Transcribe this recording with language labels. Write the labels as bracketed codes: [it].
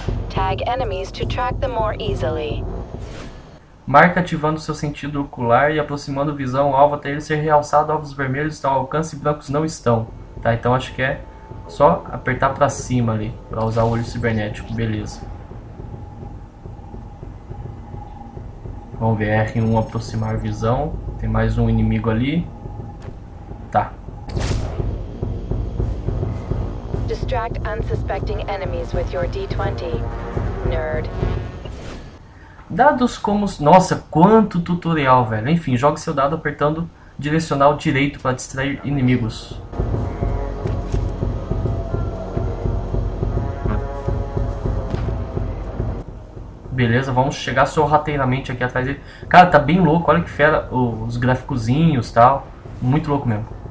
[en] Tag enemies to track them more easily. [pt] Marca ativando seu sentido ocular e aproximando visão alvo até ele ser realçado. Ovos vermelhos estão ao alcance e brancos não estão. Tá, então acho que é só apertar pra cima ali pra usar o olho cibernético, beleza. Vamos ver, R1 aproximar visão. Tem mais um inimigo ali. Tá. [en] Distract unsuspecting enemies with your D20. Nerd. [pt] Dados como... Nossa, quanto tutorial, velho. Enfim, jogue seu dado apertando direcional direito para distrair inimigos. Beleza, vamos chegar sorrateiramente aqui atrás dele. Cara, tá bem louco, olha que fera os gráficozinhos e tal. Muito louco mesmo.